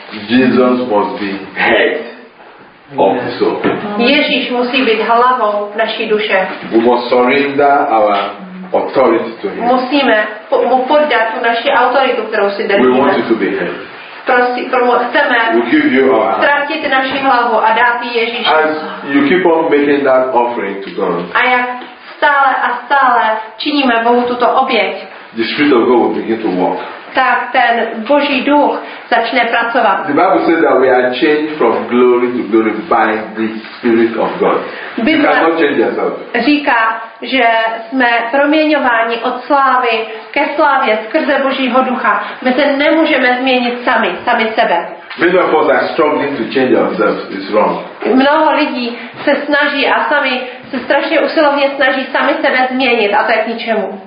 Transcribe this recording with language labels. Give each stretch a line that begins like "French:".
English: Jesus must be head of the soul.
Czech: Ježíš musí být hlavou naší duše.
English: We must surrender our authority to him.
Czech: Musíme mu poddat tu naši autoritu, kterou si držíme.
English: We want you to be him.
Czech: Chceme ztratit naši hlavu a dát ji Ježíši.
English: As you keep on making that offering to God.
Czech: A jak stále a stále činíme Bohu tuto oběť.
English: The Spirit of God will begin to work.
Czech: tak ten Boží duch začne pracovat.
English: The Bible says that we are changed from glory to glory by the Spirit of God.
Czech: Bible
English: cannot change ourselves.
Czech: Říká, že jsme proměňováni od slávy ke slávě skrze Božího ducha. My se nemůžeme změnit sami sebe.
English: Many of us are struggling to change ourselves. It's wrong.
Czech: Mnoho lidí se snaží a sami se strašně usilovně snaží sami sebe změnit a to je k ničemu.